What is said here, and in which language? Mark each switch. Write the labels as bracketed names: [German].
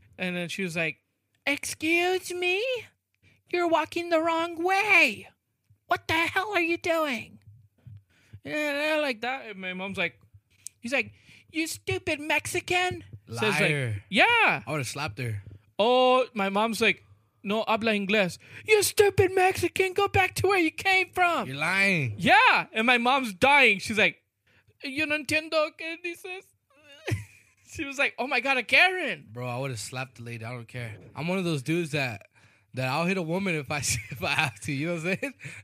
[English] And then she was like, excuse me? You're walking the wrong way. What the hell are you doing? Yeah, like that. And my mom's like, he's like, you stupid Mexican. Liar. Says like, yeah. I would have slapped her. Oh, my mom's like, [Spanish] no habla inglés. [English] You stupid Mexican. Go back to where you came from. You're lying. Yeah. And my mom's dying. She's like, [Spanish] yo no entiendo que dices. [English] She was like, oh my God, a Karen. Bro, I would have slapped the lady. I don't care. I'm one of those dudes that I'll hit a woman if I have to, you know what I'm saying?